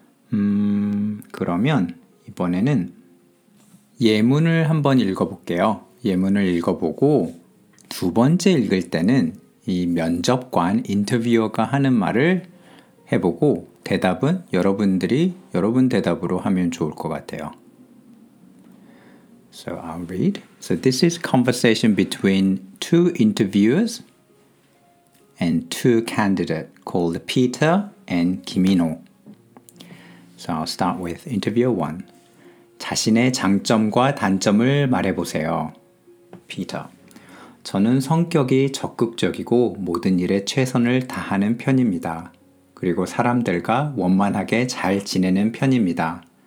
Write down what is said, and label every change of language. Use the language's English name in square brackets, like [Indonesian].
[Korean] 그러면 이번에는 예문을 한번 읽어볼게요. 예문을 읽어보고 두 번째 읽을 때는 이 면접관, 인터뷰어가 하는 말을 해보고 대답은 여러분들이 여러분 대답으로 하면 좋을 것 같아요. [English] So I'll read. So this is conversation between two interviewers and two candidates called Peter and Kimino. So I'll start with interviewer one. [Korean] 자신의 장점과 단점을 말해보세요. [English] Peter. [Korean] 저는 성격이 적극적이고 모든 일에 최선을 다하는 편입니다. 그리고 사람들과 원만하게 잘 지내는 편입니다.